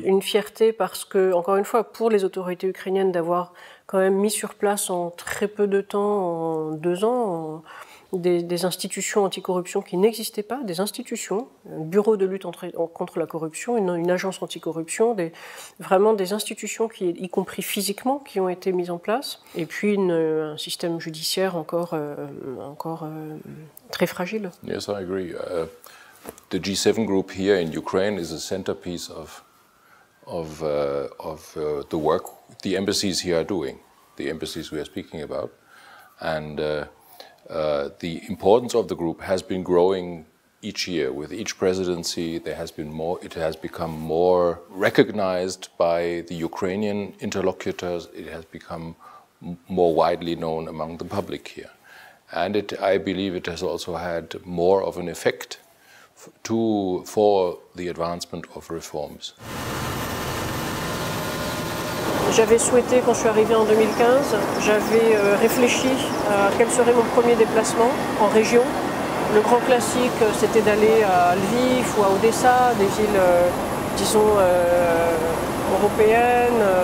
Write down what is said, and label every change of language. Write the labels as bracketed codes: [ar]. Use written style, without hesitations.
[fr] Une fierté parce que, encore une fois, pour les autorités ukrainiennes d'avoir quand même mis sur place en très peu de temps, en 2 ans, des institutions anticorruption qui n'existaient pas, des institutions, un bureau de lutte contre la corruption, une agence anticorruption, vraiment des institutions, qui, y compris physiquement, qui ont été mises en place, et puis un système judiciaire encore très fragile. [en] Yes, I agree. The G7 group here in Ukraine is a centerpiece of the work the embassies here are doing, the embassies we are speaking about, and the importance of the group has been growing each year. With each presidency, it has become more recognized by the Ukrainian interlocutors. It has become more widely known among the public here, and I believe it has also had more of an effect for the advancement of reforms. [fr] J'avais souhaité, quand je suis arrivée en 2015, j'avais réfléchi à quel serait mon premier déplacement en région. Le grand classique, c'était d'aller à Lviv ou à Odessa, des villes, disons, européennes,